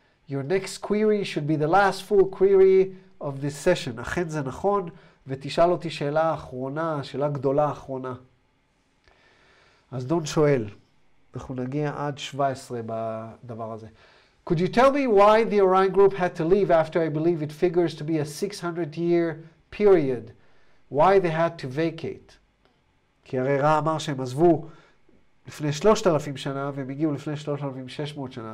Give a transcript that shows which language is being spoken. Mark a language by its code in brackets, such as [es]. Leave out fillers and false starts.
[en] Your next query should be the last full query of this session. [he] אכן זה נכון, ותשאל אותי שאלה אחרונה, שאלה גדולה אחרונה. אז דון שואל, אנחנו נגיע עד 17 בדבר הזה. [en] Could you tell me why the Orion group had to leave after I believe it figures to be a 600 year period? Why they had to vacate? [he] כי הרי רע אמר שהם עזבו לפני 3,000 שנה והם הגיעו לפני 3,600 שנה.